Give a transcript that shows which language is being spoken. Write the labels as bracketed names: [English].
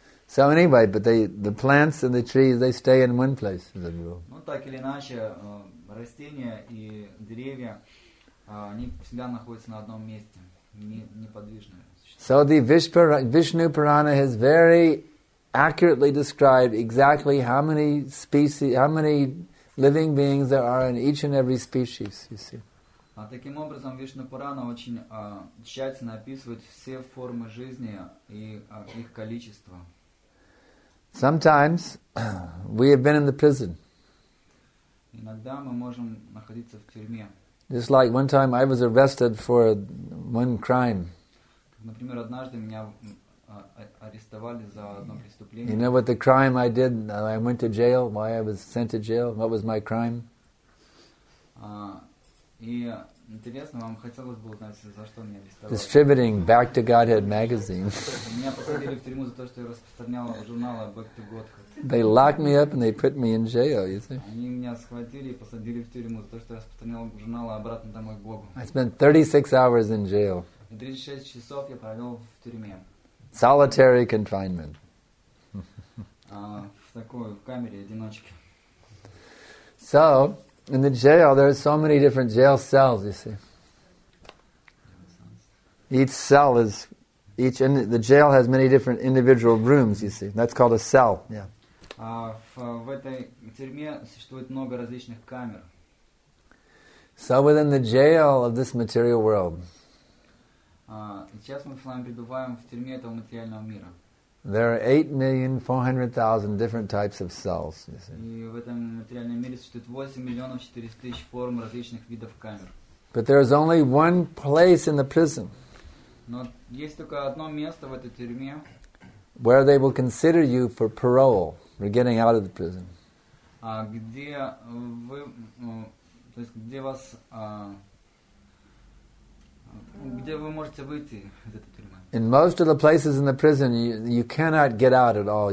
[English] So anyway, but the plants and the trees, they stay in one place, as a rule. [Russian] Ну так или иначе, растения и деревья, они всегда находятся на одном месте, неподвижные. [English] So the Vishnu Purana has very accurately describe exactly how many species, how many living beings there are in each and every species, you see. [Russian] Таким образом, Вишну Пурана очень тщательно описывает все формы жизни и их количество. [English] Sometimes we have been in the prison. [Russian] Иногда мы можем находиться в тюрьме. [English] Just like one time I was arrested for one crime. [Russian] Например, однажды меня арестовали за одно преступление. [English] You know what the crime I did? I went to jail. Why I was sent to jail? What was my crime? [Russian] И интересно, вам хотелось бы узнать, за что меня арестовали? [English] Distributing Back to Godhead magazine. [Russian] Меня посадили в тюрьму за то, что я распространял журнал Back to Godhead. [English] They locked me up and they put me in jail, you see? [Russian] Они меня схватили и посадили в тюрьму за то, что я распространял журнал обратно домой к Богу. [English] I spent 36 hours in jail. [Russian] 36 часов я провел в тюрьме. [English] Solitary confinement. [Russian] В такой камере одиночки. [English] So, in the jail, there are so many different jail cells, you see. Each cell is, each in the jail has many different individual rooms, you see. That's called a cell, yeah. [Russian] В этой тюрьме существует много различных камер. [English] So, within the jail of this material world, [Russian] сейчас мы с вами пребываем в тюрьме этого материального мира. [English] There are 8,400,000 different types of cells. [Russian] И в этом материальном мире существует 8,400,000 форм различных видов камер. [English] But there is only one place in the prison. Но есть только одно место в этой тюрьме. Where they will consider you for parole, for getting out of the prison. [Russian] Где вы, то есть где вас. Где вы можете выйти из этой тюрьмы? [English] In most of the places in the prison, you cannot get out at all.